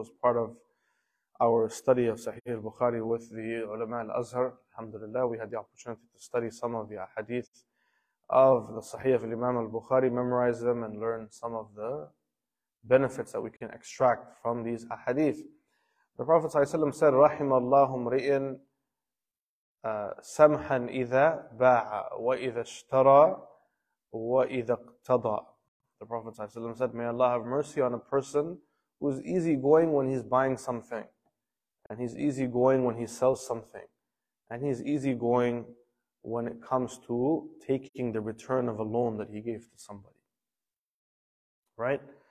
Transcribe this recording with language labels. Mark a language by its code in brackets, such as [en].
[en] It was part of our study of Sahih al-Bukhari with the ulama al-Azhar. Alhamdulillah, we had the opportunity to study some of the hadith of the Sahih of Imam al-Bukhari, memorize them and learn some of the benefits that we can extract from these hadith. [ar] The Prophet ﷺ said, رَحِمَ اللَّهُ مْرِئٍ سَمْحًا إِذَا بَاعَ وَإِذَا اشْتَرَى وَإِذَا اقْتَضَى. [en] The Prophet ﷺ said, may Allah have mercy on a person who is easygoing when he's buying something, and he's easygoing when he sells something, and he's easygoing when it comes to taking the return of a loan that he gave to somebody. Right?